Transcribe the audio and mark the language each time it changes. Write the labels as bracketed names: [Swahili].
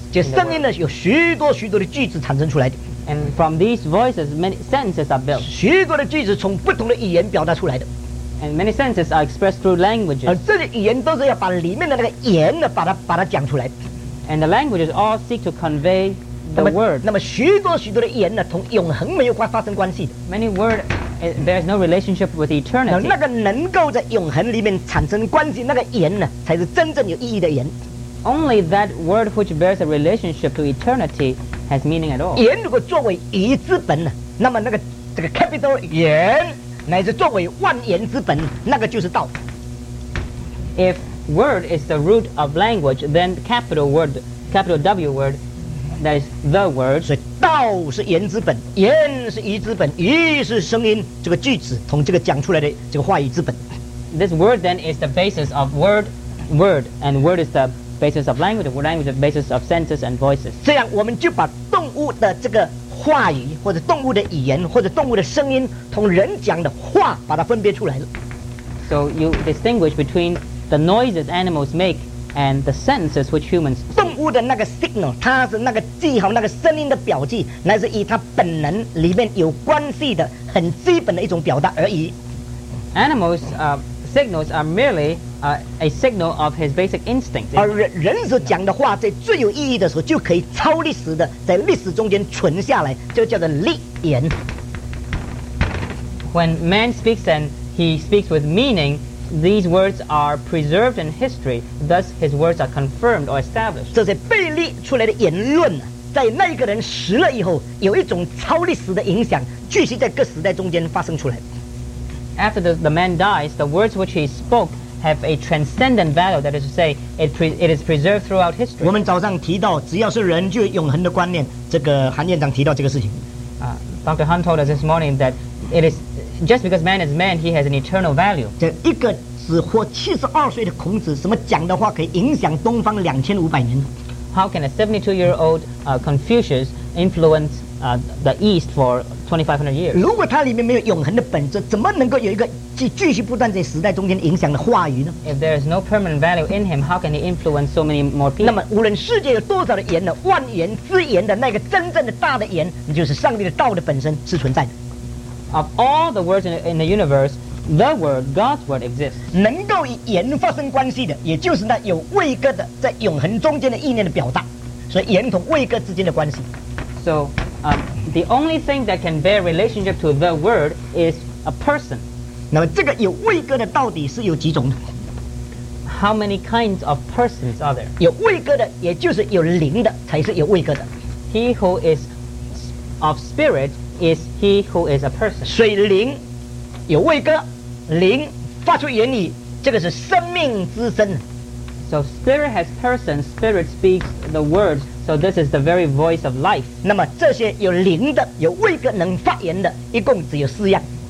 [Chinese] 这声音呢，有许多许多的句子产生出来的。 [English] And from these voices, many sentences are built. [Chinese] 许多的句子从不同的语言表达出来的。 [English] And many sentences are expressed through languages. [Chinese] 这些语言都是要把里面的那个言呢，把它讲出来。 [English] And the languages all seek to convey the word. [Chinese] 那么许多许多的言呢，同永恒没有发生关系的。 [English] Many word, there is no relationship with eternity. [Chinese] 那个能够在永恒里面产生关系那个言呢，才是真正有意义的言。 [English] Only that word which bears a relationship to eternity has meaning at all. [Chinese] 言如果作为语之本呢，那么那个这个 capital 言乃是作为万言之本，那个就是道。 [English] If word is the root of language, then capital word, capital W word, that is the word. [Chinese] 所以道是言之本，言是语之本，语是声音，这个句子同这个讲出来的这个话语之本。 [English] This word then is the basis of word, word, and word is the basis of language, or language is the basis of senses and voices. [Chinese] 这样我们就把动物的这个话语，或者动物的语言，或者动物的声音，同人讲的话，把它分别出来了。 [English] So you distinguish between the noises animals make and the sentences which humans speak. [Chinese] 动物的那个 signal， 它是那个记号，那个声音的表记，乃是以它本能里面有关系的很基本的一种表达而已。 [English] Animals, signals are merely a signal of his basic instinct. [Chinese] 而人所讲的话，在最有意义的时候，就可以超历史的，在历史中间存下来，就叫做立言。 [English] When man speaks and he speaks with meaning, these words are preserved in history. Thus, his words are confirmed or established. [Chinese] 这是被立出来的言论，在那个人死了以后，有一种超历史的影响，继续在各时代中间发生出来。 [English] After the man dies, the words which he spoke have a transcendent value, that is to say, it is preserved throughout history. [Chinese] 我们早上提到，只要是人就有永恒的观念，这个韩院长提到这个事情。 [English] Dr. Han told us this morning that it is just because man is man, he has an eternal value. [Chinese] 这一个只活72岁的孔子，什么讲的话可以影响东方2500年？ [English] How can a 72-year-old Confucius influence the East for 2500 years? [Chinese] 如果它里面没有永恒的本质，怎么能够有一个继续不断在时代中间影响的话语呢？ [English] If there is no permanent value in him, how can he influence so many more people? [Chinese] 那么无论世界有多少的言呢，万言之言的那个真正的大的言，就是上帝的道的本身是存在的。 [English] Of all the words in the universe, the word, God's word exists. [Chinese] 能够与言发生关系的，也就是那有位格的在永恒中间的意念的表达，所以言同位格之间的关系。 [English] So, the only thing that can bear relationship to the word is a person. [Chinese] 那么这个有位格的到底是有几种的？ [English] How many kinds of persons are there? [Chinese] 有位格的，也就是有灵的，才是有位格的。 [English] He who is of spirit is he who is a person. [Chinese] 水灵有位格，灵发出言语，这个是生命之声。 [English] So spirit has person, spirit speaks the word. So this is the very voice of life. [Chinese] 那么这些有灵的、有位格能发言的，一共只有四样。